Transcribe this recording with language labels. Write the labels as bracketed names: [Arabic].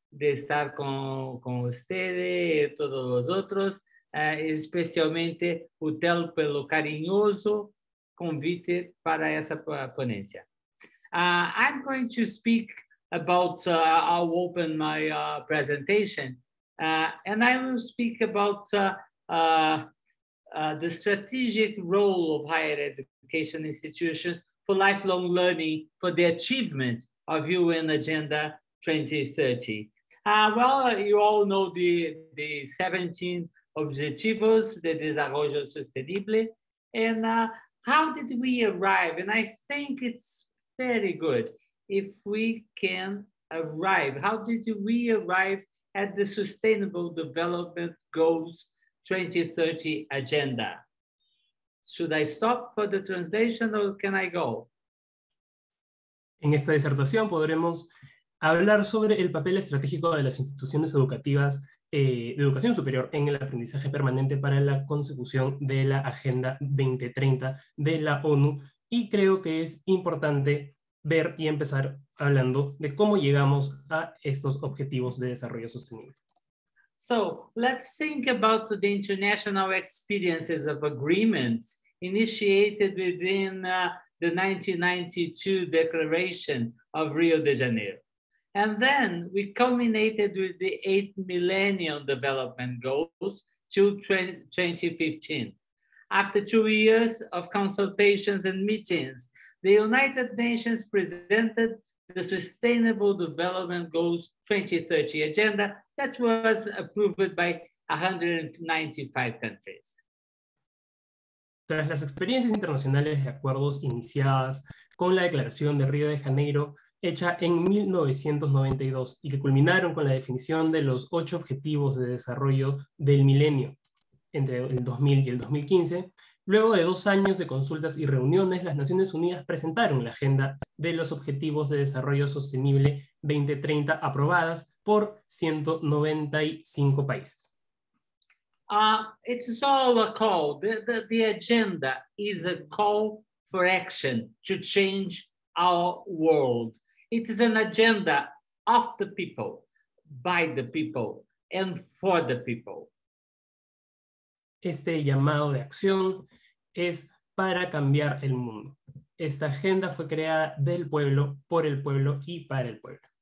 [Spanish] de estar con ustedes y todos los otros, especialmente Utel por lo cariñoso convite para esa ponencia. [English] I'm going to speak about, I'll open my presentation, and I will speak about the strategic role of higher education institutions for lifelong learning for the achievement of UN Agenda 2030. Well, you all know the 17 [Spanish] Objetivos de Desarrollo Sostenible, [English] and how did we arrive? And I think it's very good if we can arrive. How did we arrive at the Sustainable Development Goals 2030 agenda? Should I stop for the translation or can I go? [Spanish] En esta disertación podremos hablar sobre el papel estratégico de las instituciones educativas de educación superior en el aprendizaje permanente para la consecución de la Agenda 2030 de la ONU, y creo que es importante ver y empezar hablando de cómo llegamos a estos objetivos de desarrollo sostenible. [English] So, let's think about the international experiences of agreements initiated within the 1992 Declaration of Rio de Janeiro. And then we culminated with the 8 Millennium Development Goals to 2015. After 2 years of consultations and meetings, the United Nations presented the Sustainable Development Goals 2030 agenda that was approved by 195 countries. [Spanish] Tras las experiencias internacionales de acuerdos iniciadas con la Declaración de Río de Janeiro, hecha en 1992 y que culminaron con la definición de los 8 objetivos de desarrollo del milenio entre el 2000 y el 2015, luego de 2 años de consultas y reuniones, las Naciones Unidas presentaron la agenda de los Objetivos de Desarrollo Sostenible 2030 aprobadas por 195 países. [English] It's all a call. The agenda is a call for action to change our world. It is an agenda of the people, by the people, and for the people. [Spanish] Este llamado de acción es para cambiar el mundo. Esta agenda fue creada del pueblo, por el pueblo y para el pueblo.